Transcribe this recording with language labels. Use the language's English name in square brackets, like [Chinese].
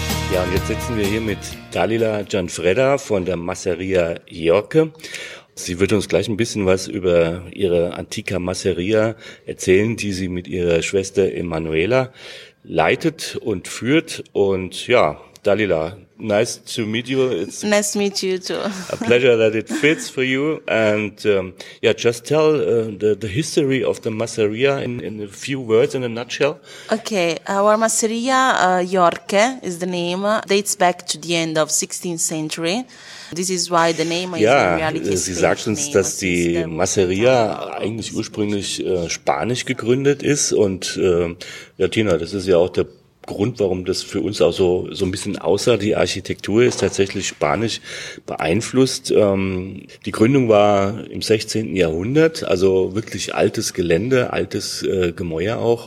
[German] Ja, und jetzt sitzen wir hier mit Dalila Gianfredda von der Masseria Jorke. Sie wird uns gleich ein bisschen was über ihre Antica Masseria erzählen, die sie mit ihrer Schwester Emanuela leitet und führt. Und ja, [English] Dalila, nice to meet you. It's nice to meet you too. A pleasure that it fits for you. And yeah, just tell the history of the Masseria in a few words, in a nutshell. Okay, our Masseria Jorke is the name. Dates back to the end of 16th century. This is why the name is [German] Sie sagt uns, dass die Masseria eigentlich ursprünglich spanisch gegründet ist. Und ja, Tina, das ist ja auch der Grund, warum das für uns auch so ein bisschen aussah. Die Architektur ist tatsächlich spanisch beeinflusst. Die Gründung war im 16. Jahrhundert, also wirklich altes Gelände, altes Gemäuer auch.